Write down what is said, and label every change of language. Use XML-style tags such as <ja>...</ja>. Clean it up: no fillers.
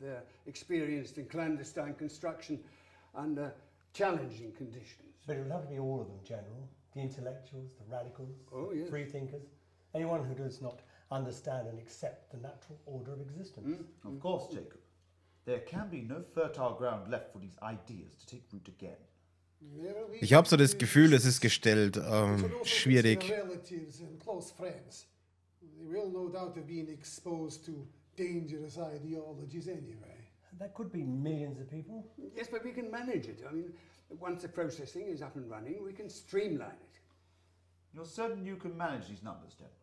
<en>They're experienced in clandestine construction under challenging conditions. But it will have to be all of them, General. The intellectuals, the radicals, yes. Free thinkers. Anyone who does not understand and accept the natural order of existence. Of course, Jacob. There can be no fertile ground left for these ideas to take root again.</en> <de>Ich habe so das Gefühl, es ist gestellt, schwierig.</de> <en>Relatives and close friends. They will no doubt have been exposed to dangerous ideologies anyway. That could be millions of people. Yes, but we can manage it. I mean, once the processing is up and running, we can streamline it. You're certain you can manage these numbers, Deborah?</en>